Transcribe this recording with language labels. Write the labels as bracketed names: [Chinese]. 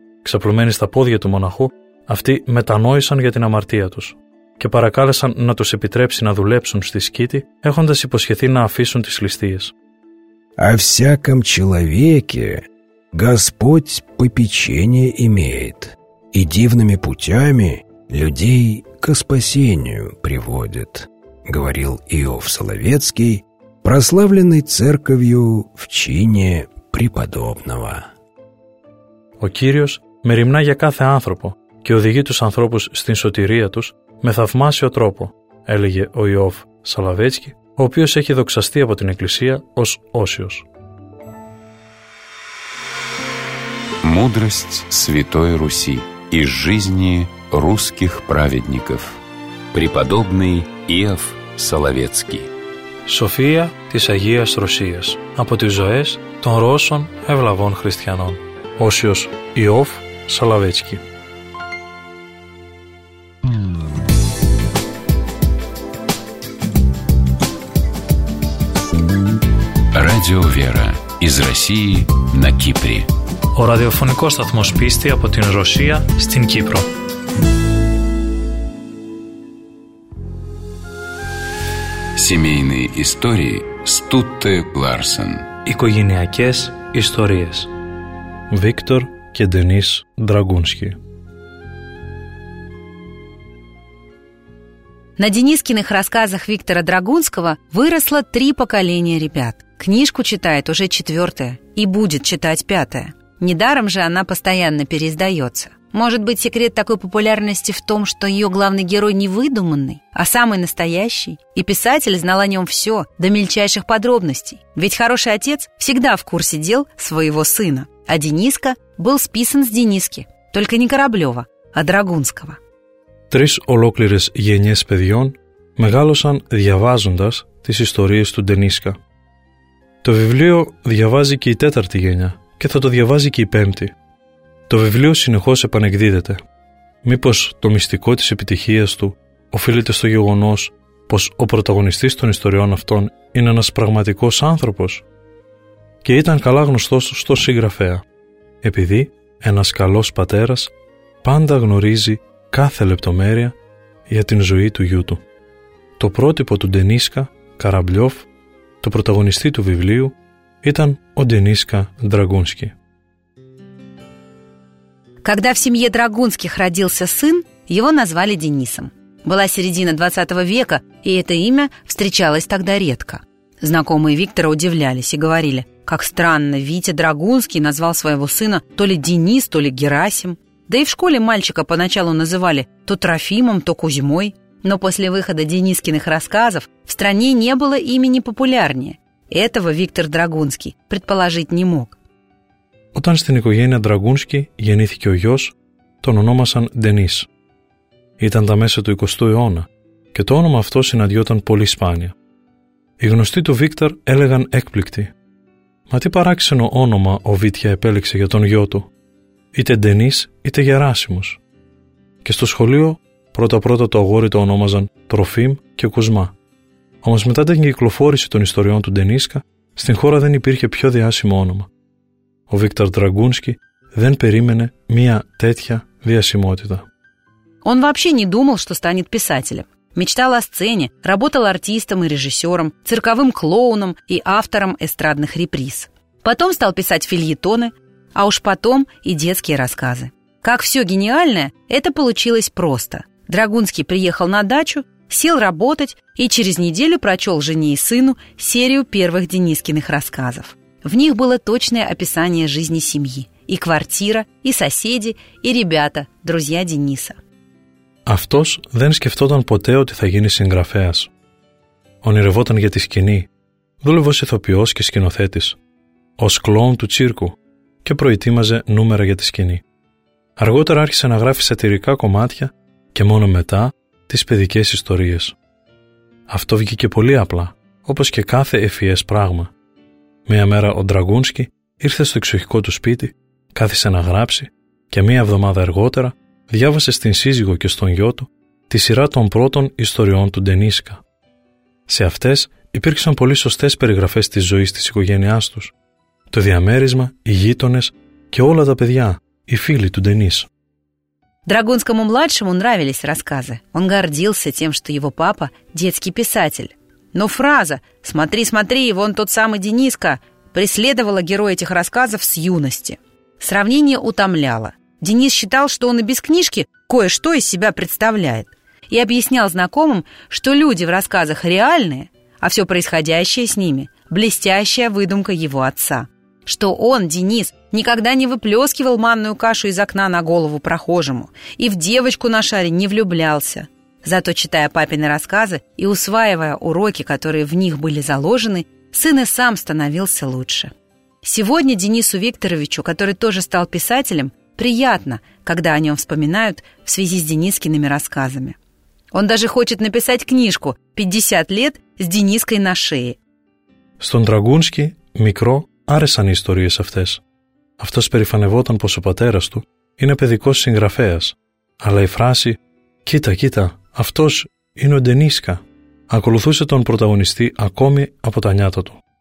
[Greek] Ξαπλωμένοι στα πόδια του μοναχού, αυτοί μετανόησαν για την αμαρτία τους και παρακάλεσαν να τους επιτρέψει να δουλέψουν στη σκήτη, έχοντας υποσχεθεί να αφήσουν τις ληστείες. [Russian] «Α всяком человеке Господь попечение имеет, и дивными путями людей ко спасению приводит», говорил Иов Соловецкий, прославленный церковью в чине преподобного. [Greek] «Ο Κύριος мерімна για κάθε άνθρωπο και οδηγεί τους ανθρώπους στην σωτηρία τους με θαυμάσιο τρόπο», έλεγε ο Ιώβ Σαλαβέτσκι, ο οποίος έχει δοξαστεί από την Εκκλησία ως Όσιος. [Russian] Мудрость Святой Руси из жизни русских праведников. Преподобный Иов Соловецкий. [Greek] Σοφία της Αγίας Ρωσίας από τις ζωές των Ρώσων ευλαβών χριστιανών. Όσιος Ιώβ Σαλαβέτσκι. [Russian] Радио Вера из России на Кипре. [Greek] Ο ραδιοφωνικός σταθμός πίστη από την Ρωσία στην Κύπρο. [Russian] Семейные истории Стутте Ларсен. [Greek] Οικογενειακές ιστορίες. Βίκτορ και Ντενίς Ντραγκούνσκι. [Russian] На Денискиных рассказах Виктора Драгунского выросло три поколения ребят. Книжку читает уже четвертое и будет читать пятое. Недаром же она постоянно переиздается. Может быть, секрет такой популярности в том, что ее главный герой не выдуманный, а самый настоящий? И писатель знал о нем все, до мельчайших подробностей. Ведь хороший отец всегда в курсе дел своего сына. А Дениска был списан с Дениски, только не Кораблева, а Драгунского. [Greek] Τρεις ολόκληρες γενιές παιδιών μεγάλωσαν διαβάζοντας τις ιστορίες του Ντενίσκα. Το βιβλίο διαβάζει και η τέταρτη γενιά και θα το διαβάζει και η πέμπτη. Το βιβλίο συνεχώς επανεκδίδεται. Μήπως το μυστικό της επιτυχίας του οφείλεται στο γεγονός πως ο πρωταγωνιστής των ιστοριών αυτών είναι ένας πραγματικός άνθρωπος και ήταν καλά γνωστός στο συγγραφέα, επειδή ένας καλός πατέρας πάντα γνωρίζει κάθε λεπτομέρεια για την ζωή του γιού του. Το πρότυπο του Ντενίσκα Καραμπλιόφ, το πρωταγωνιστή του βιβλίου, ήταν ο Ντενίσκα Ντραγκούνσκι. [Russian] Когда в семье Драгунских родился сын, его назвали Денисом. Была середина 20 века, и это имя встречалось тогда редко. Знакомые Виктора удивлялись и говорили, как странно, Витя Драгунский назвал своего сына то ли Денис, то ли Герасим. Да и в школе мальчика поначалу называли то Трофимом, то Кузьмой. Но после выхода Денискиных рассказов в стране не было имени популярнее. Этого Виктор Драгунский предположить не мог. [Greek] Όταν στην οικογένεια Ντραγκούνσκι γεννήθηκε ο γιος, τον ονόμασαν Ντενίς. Ήταν τα μέσα του 20ου αιώνα και το όνομα αυτό συναντιόταν πολύ σπάνια. Οι γνωστοί του Βίκτορ έλεγαν έκπληκτοι. Μα τι παράξενο όνομα ο Βίτια επέλεξε για τον γιο του, είτε Ντενίς είτε Γεράσιμος. Και στο σχολείο πρώτα-πρώτα το αγόρι το ονόμαζαν Τροφίμ και Κουσμά. Όμως μετά την κυκλοφόρηση των ιστοριών του Ντενίσκα, στην χώρα δεν υπήρχε πιο διάσημο όνομα. Ο Виктор Драгунский δεν περίμενε μια τέτοια διασημότητα. [Russian] Он вообще не думал, что станет писателем. Мечтал о сцене, работал артистом и режиссером, цирковым клоуном и автором эстрадных реприз. Потом стал писать фельетоны, а уж потом и детские рассказы. Как все гениальное, это получилось просто. Драгунский приехал на дачу, сел работать и через неделю прочел жене и сыну серию первых Денискиных рассказов. В них было точное описание жизни семьи. И квартира, и соседи, и ребята, друзья Дениса. [Greek] Αυτός δεν σκεφτόταν ποτέ ότι θα γίνει συγγραφέας. Ονειρευόταν για τη σκηνή. Δούλευε ως ηθοποιός και σκηνοθέτης. Ως κλόουν του τσίρκου. Και προετοίμαζε νούμερα για τη σκηνή. Αργότερα άρχισε να γράφει σατυρικά κομμάτια και μόνο μετά τις παιδικές ιστορίες. Αυτό βγήκε πολύ απλά, όπως και κάθε ευφυές πράγμα. Μία μέρα ο Ντραγκούνσκι ήρθε στο εξοχικό του σπίτι, κάθισε να γράψει και μία εβδομάδα αργότερα διάβασε στην σύζυγο και στον γιο του τη σειρά των πρώτων ιστοριών του Ντενίσκα. Σε αυτές υπήρξαν πολύ σωστές περιγραφές της ζωής της οικογένειάς τους, το διαμέρισμα, οι γείτονες και όλα τα παιδιά, οι φίλοι του Ντενίς. [Russian] Драгунскому младшему нравились рассказы. Он гордился тем, что его папа – детский писатель. Но фраза «Смотри, смотри, вон тот самый Дениска» преследовала героя этих рассказов с юности. Сравнение утомляло. Денис считал, что он и без книжки кое-что из себя представляет. И объяснял знакомым, что люди в рассказах реальные, а все происходящее с ними – блестящая выдумка его отца. Что он, Денис, никогда не выплескивал манную кашу из окна на голову прохожему и в девочку на шаре не влюблялся. Зато, читая папины рассказы и усваивая уроки, которые в них были заложены, сын и сам становился лучше. Сегодня Денису Викторовичу, который тоже стал писателем, приятно, когда о нем вспоминают в связи с Денискиными рассказами. Он даже хочет написать книжку «50 лет с Дениской на шее». [Greek] Στον Драгунски микро άρεσαν οι ιστορίες αυτές. Αυτός περηφανευόταν πως ο πατέρας του είναι παιδικός συγγραφέας, αλλά η φράση «Κοίτα, κοίτα, αυτός είναι ο Ντενίσκα» ακολουθούσε τον πρωταγωνιστή ακόμη από τα νιάτα του.